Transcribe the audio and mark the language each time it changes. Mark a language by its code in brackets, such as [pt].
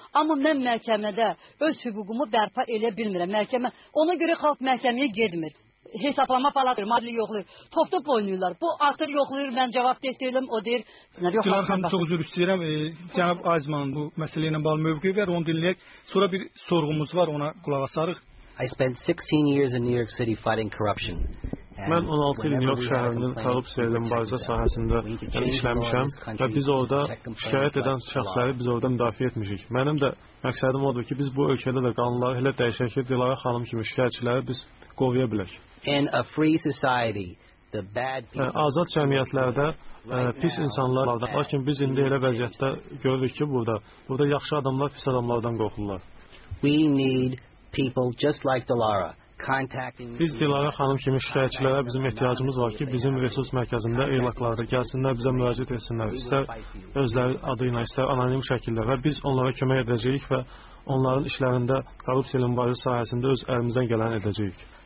[az] Amma mən məhkəmədə öz hüququmu bərpa elə bilmirəm. Məhkəmə, ona görə xalq məhkəməyə gedmir. Hesablama palatır, maddi yoxlayır. Top oynuyorlar. Bu atır yoxlayır, mən cavab deyirəm, o deyir. Dilar xanım, çox üzr istəyirəm. Cənab Aizmanın bu məsələ ilə bağlı mövqeyi ver, onu dinləyək. Sonra bir sorğumuz var, ona qulaq asarıq. [en] I spent 16 years in New York City fighting corruption. [az] Mən 16 il New York şəhərinin korrupsiya ilə mübarizə sahəsində işləmişəm və biz orada şikayət edən şəxsləri biz orada müdafiə etmişik. Mənim də məqsədim odur ki, biz bu ölkədə də qanunları elə dəyişək ki, Dilarə xanım kimi şikayətçiləri biz qoruya bilək. Azad cəmiyyətlərdə pis insanlar var, lakin biz indi elə vəziyyətdə görürük ki, burada yaxşı adamlar pis adamlardan qorxurlar. [en] We need people just like Dilara. [az] Biz Dilara xanım kimi şikayətçilərə bizim ehtiyacımız var ki, bizim resurs mərkəzində eylaqlarda gəlsinlər, bizə müraciət etsinlər, istər özləri adı ilə, istər anonim şəkildə və biz onlara kömək edəcəyik və onların işlərində korrupsiya mübarizə sahəsində öz əlimizdən gələni edəcəyik.